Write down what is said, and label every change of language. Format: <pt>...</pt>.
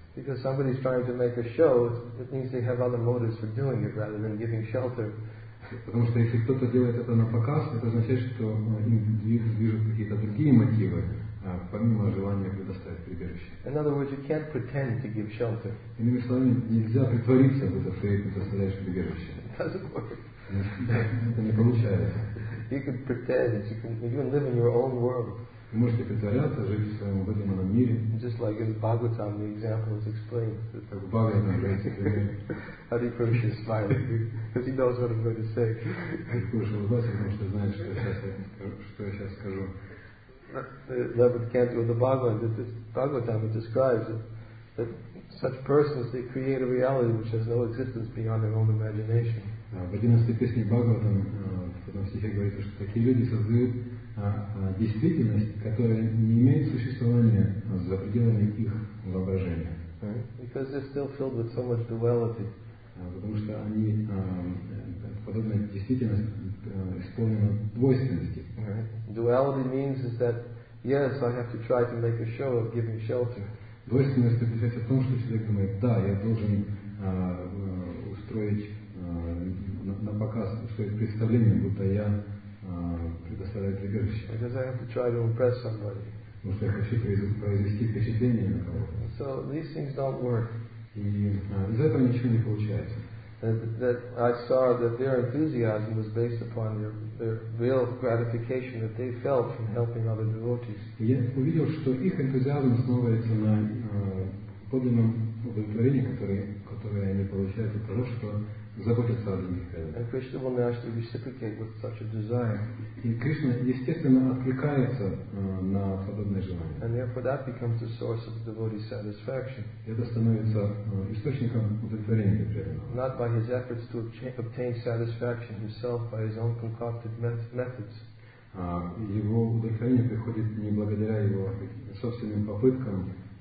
<en>Because somebody is trying to make a show, it means they have other motives for doing it rather than giving shelter.</en> <ru>Потому что если кто-то делает это на показ, это означает, что им движут какие-то другие мотивы, помимо желания предоставить прибежище.</ru> <en>In other words, you can't pretend to give shelter.</en> <ru>Иными словами, нельзя притвориться, будто ты предоставляешь прибежище.</ru> <en>It doesn't work.</en> <ru>Это не получается.</ru> <en>You can pretend, you can live in your own world.</en> <ru>Вы можете притворяться, жить в своем выдуманном мире.</ru> <en>Just like in Bhagavatam, the example is explained.</en> <ru>Как в Бхагаватаме говорится.</ru> <en>Hari Krishna is smiling, because he knows what I'm going to say.</en> <ru>Hari Krishna улыбается, потому что знает, что я сейчас скажу.</ru> <en>Lord Kanto of the Bhagavatam describes that such persons, they create a reality which has no existence beyond their own imagination.</en> <ru>В 11-й песне Бхагаватам, в этом стихе говорится, что такие люди создают действительность, которая не имеет существования за пределами их воображения.</ru> <en>Because they're still filled with so much duality.</en> <ru>Потому что они, подобная действительность исполнена двойственности.</ru> <en>Duality means is that, yes, I have to try to make a show of giving shelter.</en> <ru>Двойственность заключается в том, что человек думает, да, я должен устроить на показ, устроить представление, будто я предоставляю прибежище.</ru> <en>Because I have to try to impress somebody.</en> <ru>Потому что я хочу произвести впечатление на кого-то.</ru> <en>So these things don't work.</en> <ru>И из этого ничего не получается.</ru> <en>That I saw that their enthusiasm was based upon their real gratification that they felt from helping other devotees.</en> <ru>Я увидел, что их энтузиазм основывается на подлинном удовлетворении, которое они получают от того, что заботиться о других преданных.</ru> <en>And Krishna will naturally reciprocate with such a desire.</en> <ru>И Кришна естественно откликается на подобное желание.</ru> <en>And therefore that becomes the source of the devotee's satisfaction.</en> <ru>Это становится источником удовлетворения преданного.</ru> <en>Not by his efforts to obtain satisfaction himself by his own concocted methods.</en> <ru>Его удовлетворение приходит не благодаря его собственным попыткам.</ru>